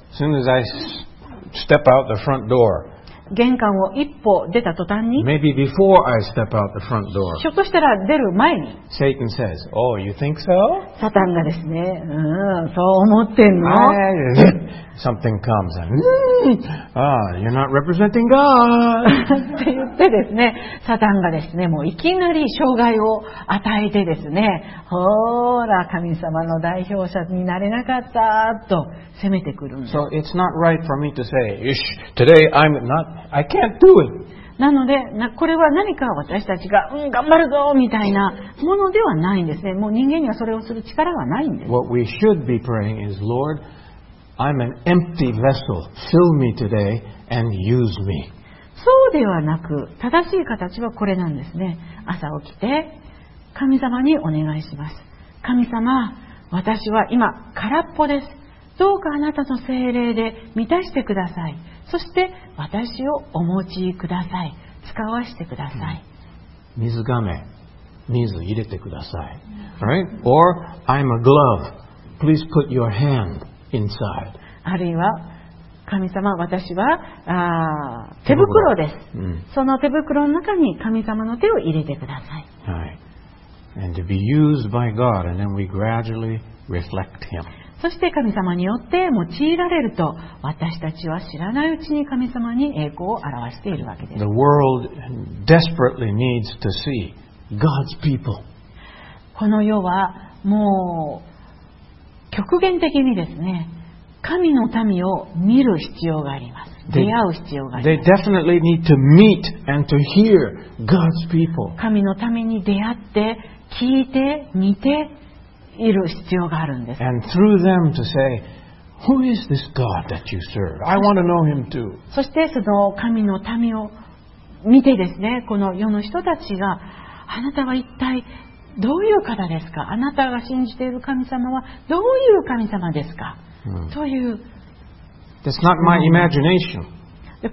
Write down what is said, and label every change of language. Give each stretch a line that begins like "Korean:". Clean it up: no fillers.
English: As soon as I step out the front door,
Japanese: 玄関を一歩出た途端に、
English: Maybe before I step out the front door,
Japanese: ひょっとしたら出る前に、
English: Satan says, oh, you think so?
Japanese: サタンがですね、そう思ってんの。
English: Something comes and, you're not representing God.
Japanese: って言ってですね、サタンがですね、もういきなり障害を与えてですね、ほーら、神様の代表者になれなかったと責めてくるんです。
English: So it's not right for me to say, ish, today I'm not, I can't do it.
Japanese: なので、これは何か私たちが、頑張るぞみたいなものではないんですね。もう人間にはそれをする力はないんです。
English: What we should be praying is, Lord, I'm an empty vessel. Fill me today and use me.
Japanese: そうではなく、正しい形はこれなんですね。朝起きて神様にお願いします。神様、私は今空っぽです。どうかあなたの聖霊で満たしてください。そして私をお持ちください。使わせてください。水がめ、水入れてください、
English: right? Or I'm a glove. Please put your hand inside.
Japanese: あるいは神様、私は手袋です、うん、その手袋の中に神様の手を入れてください、はい、
English: And to be used by God, and then we gradually reflect Him.
Japanese: そして神様によって用いられると、私たちは知らないうちに神様に栄光を表しているわけです。
English: The world desperately needs to see God's people.
Japanese: この世はもう極限的にですね、神の民を見る必要があります。出会う必要があります。
English: They definitely need to meet and to hear God's people.
Japanese: 神の民に出会って聞いて見ている必要があるんです。
English: And through them to say, who is this God that you serve? I want to know him too.
Japanese: そしてその神の民を見てですね、この世の人たちが、あなたは一体どういう方ですか？あなたが信じている神様はどういう神様ですか？という。
English: That's not my imagination.